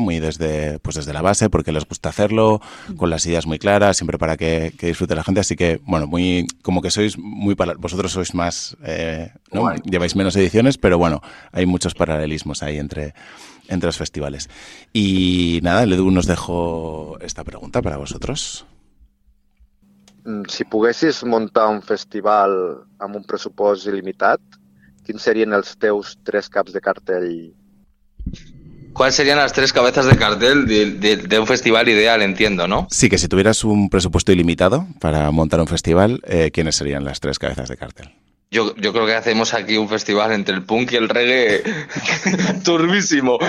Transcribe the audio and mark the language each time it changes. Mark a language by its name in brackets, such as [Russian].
[Spanish] Muy desde la base, porque les gusta hacerlo, con las ideas muy claras, siempre para que disfrute la gente. Así que, bueno, muy, como que sois muy, vosotros sois más, ¿no? Bueno. Lleváis menos ediciones, pero bueno, hay muchos paralelismos ahí entre los festivales. Y nada, Ledu, nos dejo esta pregunta para vosotros. [Catalan] Si poguessis muntar un festival amb un pressupost il·limitat, quins serien els teus 3 caps de cartell? [Spanish] ¿Cuáles serían las 3 cabezas de cartel de un festival ideal, entiendo, ¿no? Sí, que si tuvieras un presupuesto ilimitado para montar un festival, ¿quiénes serían las 3 cabezas de cartel? Yo creo que hacemos aquí un festival entre el punk y el reggae turbísimo.